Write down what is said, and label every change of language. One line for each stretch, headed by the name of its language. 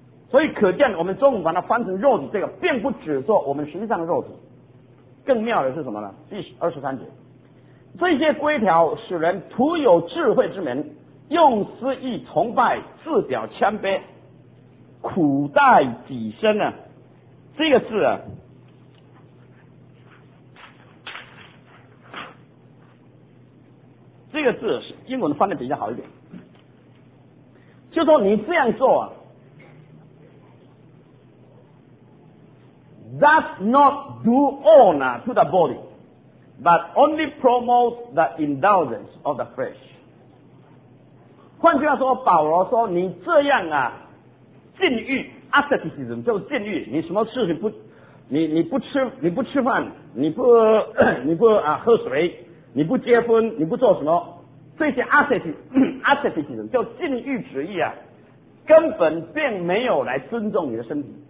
Chinese: 所以可见，我们中午把它翻成肉体，这个并不只说我们实际上的肉体。更妙的是什么呢？第二十三节，这些规条使人徒有智慧之门，用私意崇拜，自表谦卑，苦待己身呢、啊？这个字啊，这个字是英文翻的比较好一点，就说你这样做啊 ，
English: does not do honor to the body, but only promotes the indulgence of the flesh.
Chinese: 换句话说，保罗说你这样啊，禁欲 ，asceticism 就是禁欲。你什么事情不，你不吃饭，你不喝水，你不结婚，你不做什么，这些 asceticism 就禁欲主义啊，根本并没有来尊重你的身体。